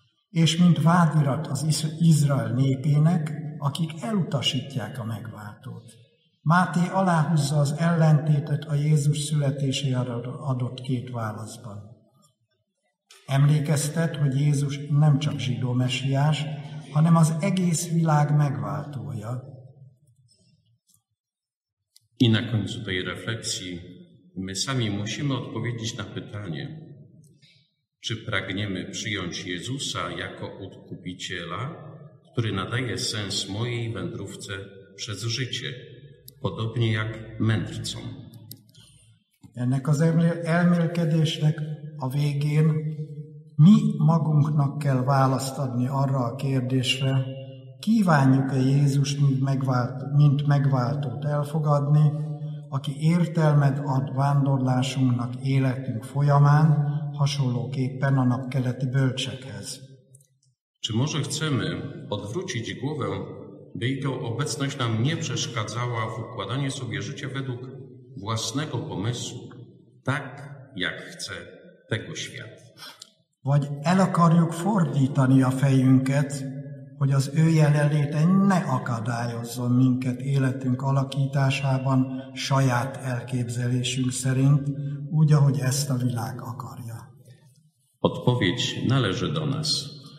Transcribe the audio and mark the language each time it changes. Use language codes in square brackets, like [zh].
[hu] És mint vádirat az Izrael népének, akik elutasítják a megváltót. Máté aláhúzza az ellentétet a Jézus születésére adott két válaszban. Emlékeztet, hogy Jézus nem csak zsidó mesiás, hanem az egész világ megváltója. [pl] I na końcu tej refleksji my sami musimy odpowiedzieć na pytanie, czy pragniemy przyjąć Jezusa jako odkupiciela, który nadaje sens mojej wędrówce przez życie, podobnie jak mędrcom. [hu] Ennek az elmélkedésnek a végén mi magunknak kell választ adni arra a kérdésre, kívánjuk-e Jézust mint megváltót elfogadni, aki értelmet ad vándorlásunknak életünk folyamán, hasonlóképpen a napkeleti bölcsekhez. [pl] Czy może chcemy odwrócić głowę, by jego obecność nam nie przeszkadzała w układaniu sobie życia według własnego pomysłu, tak jak chce tego świat? [hu] Vagy el akarjuk fordítani a fejünket, hogy az ő jelenléte ne akadályozzon minket életünk alakításában saját elképzelésünk szerint, úgy, ahogy ezt a világ akarja. [pl] Odpowiedź należy do nas.